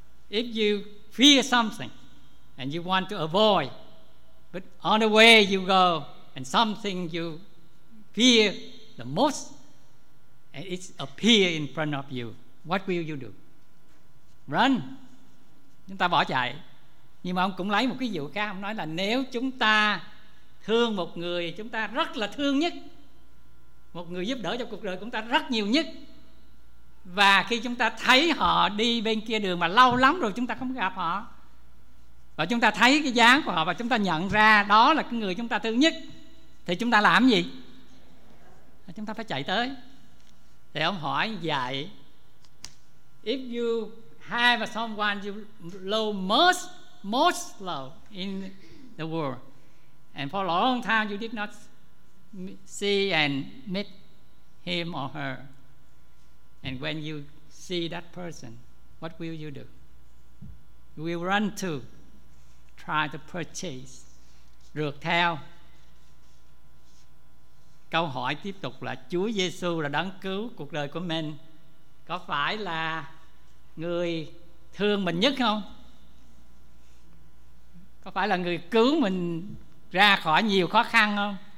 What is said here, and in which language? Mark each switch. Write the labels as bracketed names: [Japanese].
[English] If you fear something and you want to avoid, but on the way you go and something you fear the most and it appear in front of you, what will you do? Run. [Vietnamese] Chúng ta bỏ chạy. Nhưng mà ông cũng lấy một cái ví dụ khác, ông nói là nếu chúng ta thương một người chúng ta rất là thương nhất, một người giúp đỡ cho cuộc đời chúng ta rất nhiều nhất, và khi chúng ta thấy họ đi bên kia đường mà lâu lắm rồi chúng ta không gặp họ, và chúng ta thấy cái dáng của họ và chúng ta nhận ra đó là cái người chúng ta thương nhất, thì chúng ta làm gì? Chúng ta phải chạy tới. Thì ông hỏi vậy, [English] if you have someone you love most love in the world and for a long time you did not see and meet him or her, and when you see that person, what will you do? You will run to try to purchase, [Vietnamese] rượt theo. Câu hỏi tiếp tục là Chúa Giêsu là đấng cứu cuộc đời của mình, có phải là người thương mình nhất không? Có phải là người cứu mình ra khỏi nhiều khó khăn không?